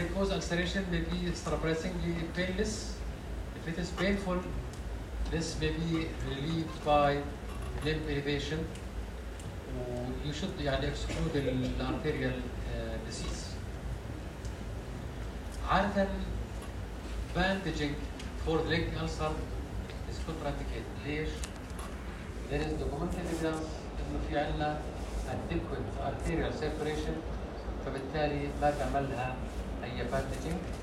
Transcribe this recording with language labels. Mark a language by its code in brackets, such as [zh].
[en] Ulceration may be surprisingly painless. If it is painful, this may be relieved by limb elevation. You should [ar] يعني [en] exclude the arterial disease. [ar] عادة [en] bandaging for the leg ulcer is contraindicated. [ar] ليش؟ [en] There is documented evidence [ar] إنه في عنا [en] adequate arterial separation. [ar] فبالتالي ما تعملها أي bandaging.